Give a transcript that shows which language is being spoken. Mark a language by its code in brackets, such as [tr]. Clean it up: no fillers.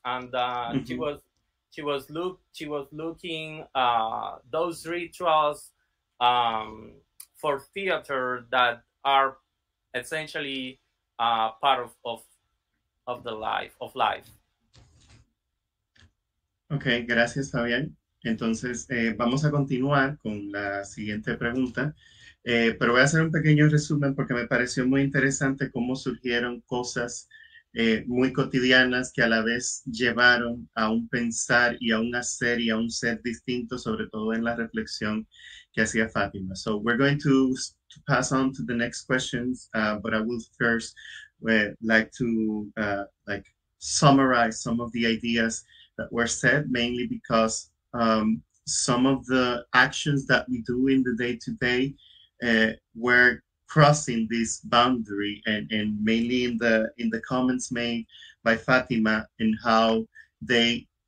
[en] And she was looking those rituals for theater that are essentially part of the life, of life. [es] Okay, gracias, Fabián. Entonces, vamos a continuar con la siguiente pregunta, pero voy a hacer un pequeño resumen porque me pareció muy interesante cómo surgieron cosas muy cotidianas que a la vez llevaron a un pensar y a un hacer y a un ser distinto, sobre todo en la reflexión que hacía Fátima. [en] So we're going to pass on to the next questions, but I would first like to like summarize some of the ideas that were said, mainly because some of the actions that we do in the day-to-day were crossing this boundary, and mainly in the comments made by Fatima and how they